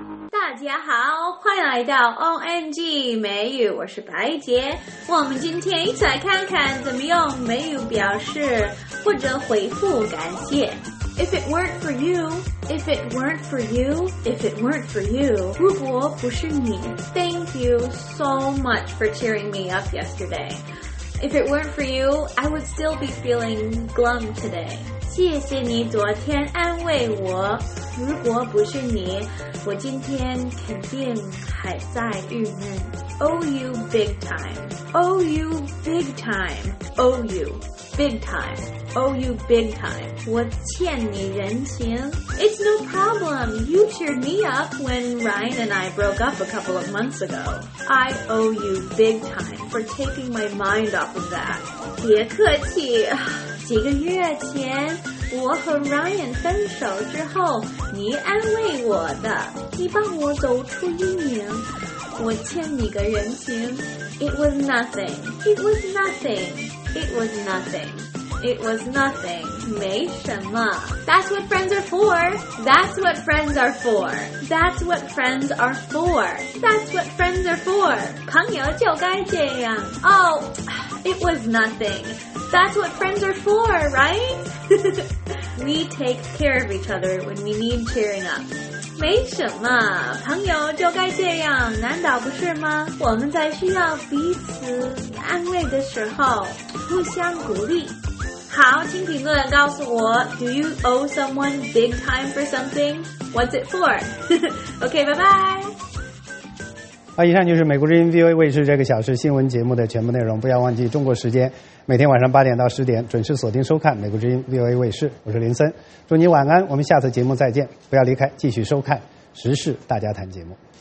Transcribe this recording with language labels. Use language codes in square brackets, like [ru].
[zh] 大家好，欢迎来到 ONG 美语，我是白杰。我们今天一起来看看怎么用美语表示或者回复感谢。 [en] If it weren't for you, if it weren't for you, if it weren't for you, [zh] 如果不是你 [en] ,Thank you so much for cheering me up yesterday. If it weren't for you, I would still be feeling glum today. [zh] 谢谢你昨天安慰我，如果不是你，我今天肯定还在郁闷。 [en] Owe you big time, owe you big time, owe you big time, owe you big time. [zh] 我欠你人情。 [en] It's no problem, you cheered me up when Ryan and I broke up a couple of months ago. I owe you big time for taking my mind off of that. [zh] 别客气。几个月前，我和 Ryan 分手之后，你安慰我的，你帮我走出阴影，我欠你个人情。 [en] It was nothing. It was nothing. It was nothing. It was nothing. [zh] 没什么。 [en] That's what friends are for. That's what friends are for. That's what friends are for. That's what friends are for. [zh] 朋友就该这样。 [en] Oh, it was nothing. That's what friends are for, right? We take care of each other when we need cheering up. [zh] 没什么，朋友就该这样，难道不是吗？我们在需要彼此安慰的时候，互相鼓励。好，请评论告诉我 [en] ，Do you owe someone big time for something? What's it for? Okay, bye bye. [zh] 好，以上就是美国之音 VOA 卫视这个小时新闻节目的全部内容。不要忘记中国时间每天晚上8点到10点准时锁定收看美国之音 VOA 卫视。我是林森，祝你晚安，我们下次节目再见。不要离开，继续收看时事大家谈节目。